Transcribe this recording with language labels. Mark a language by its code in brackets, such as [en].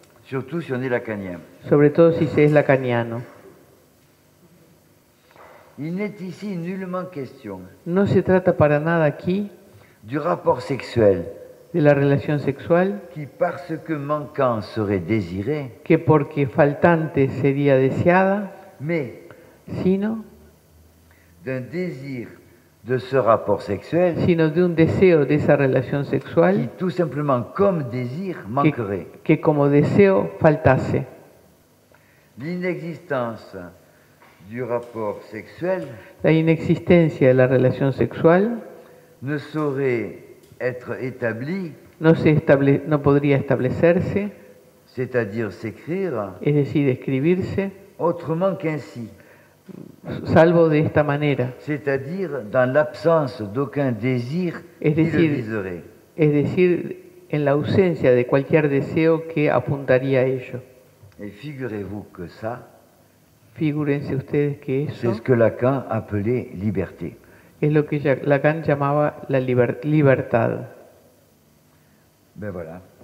[fr] Surtout si on est lacanien. [es] Sobre todo si se es lacaniano. [fr] Il n'est ici nullement question. [es] No se trata para nada aquí [fr] du rapport sexuel. [es] De la relación sexual. [fr] Qui parce que manquant serait désiré. [es] Que porque faltante sería deseada. [fr] Mais [es] sino [fr] d'un désir de ce rapport sexuel, [es] sino de un deseo de esa relación sexual, [fr] qui tout simplement comme désir manquerait, [es] que como deseo faltase. [fr] L'inexistence du rapport sexuel, [es] la inexistencia de la relación sexual, [fr] ne saurait être établie, [es] no podría establecerse, [fr] c'est-à-dire s'écrire, [es] es decir, escribirse, [fr] autrement qu'ainsi. [es] Salvo de esta manera. [fr] C'est-à-dire dans l'absence d'aucun désir qui le viserait. [es] Es decir, en la ausencia de cualquier deseo que apuntaría a ello. [fr] Et figurez-vous que ça. [es] Figúrense ustedes que eso. [fr] C'est ce que Lacan appelait liberté. [es] Es lo que Lacan llamaba la libertad. [fr] Ben voilà.